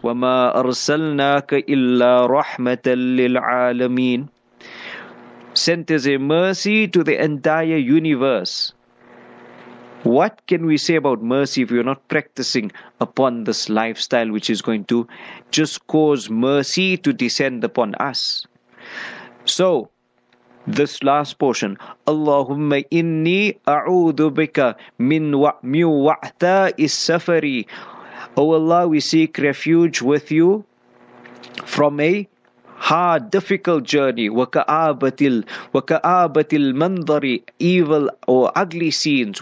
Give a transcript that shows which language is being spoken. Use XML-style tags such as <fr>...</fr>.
<ar>وَمَا أَرْسَلْنَاكَ إِلَّا رَحْمَةً لِلْعَالَمِينَ.</ar> <en>Sent as a mercy to the entire universe. What can we say about mercy if you're not practicing upon this lifestyle which is going to just cause mercy to descend upon us? So, this last portion,</en> <ar>اللهم إني أعوذ بك من وعثاء السفر.</ar> <en>Oh Allah, we seek refuge with you from a hard, difficult journey.</en> <ar>وكآبة المنظر,</ar> <en>evil or ugly scenes.</en>